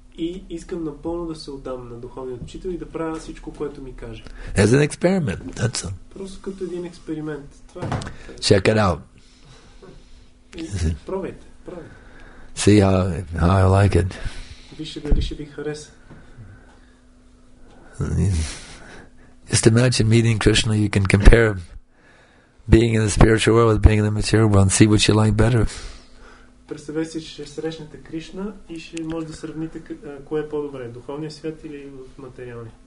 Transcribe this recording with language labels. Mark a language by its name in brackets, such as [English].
[Bulgarian] И искам напълно да се отдам на духовния учител и да правя всичко, което ми каже. [English] As an experiment, that's all. [Bulgarian] Просто като един експеримент. Това е. [English] Check it out. [Bulgarian] Пробайте, пробайте. [English] See how I like it. [Bulgarian] Вижте дали ще ви хареса. [English] Just imagine meeting Krishna, you can compare being in the spiritual world with being in the material world and see which you like better. [Bulgarian] Представете си, че ще срещнете Кришна и ще може да сравните кое е по-добре, духовния свят или материалния.